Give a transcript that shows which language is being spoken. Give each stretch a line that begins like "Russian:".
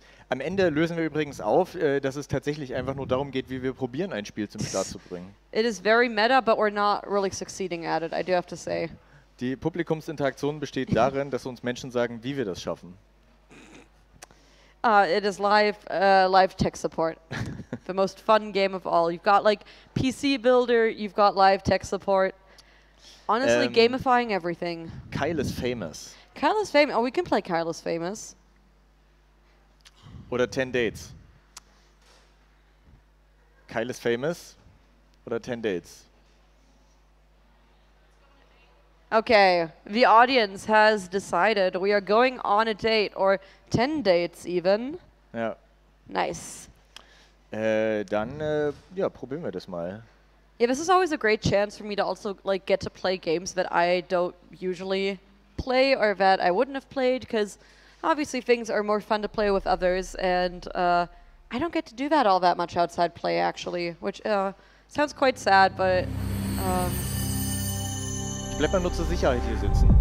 German: Am Ende lösen wir übrigens auf, dass es tatsächlich einfach nur darum geht, wie wir probieren, ein Spiel zum Start zu bringen.
English: It is very meta, but we're not really succeeding at it, I do have to say.
German: Die Publikumsinteraktion besteht darin, dass uns Menschen sagen, wie wir das schaffen.
English: It is live, live tech support. The most fun game of all. You've got like PC Builder, you've got live tech support. Honestly, gamifying everything. Kyle is famous. Kyle is famous. Oh, we can play Kyle is famous.
German: Oder 10 Dates.
English: Kyle is famous.
German: Oder 10 Dates.
English: Okay, the audience has decided we are going on a date or 10 Dates even.
German: Ja.
English: Nice.
German: Dann probieren wir das mal.
English: Yeah, this is always a great chance for me to also like get to play games that I don't usually play or that I wouldn't have played because obviously, things are more fun to play with others, and I don't get to do that all that much outside play, actually, which sounds quite sad, but...
German: Ich bleib mal nur zur Sicherheit hier sitzen.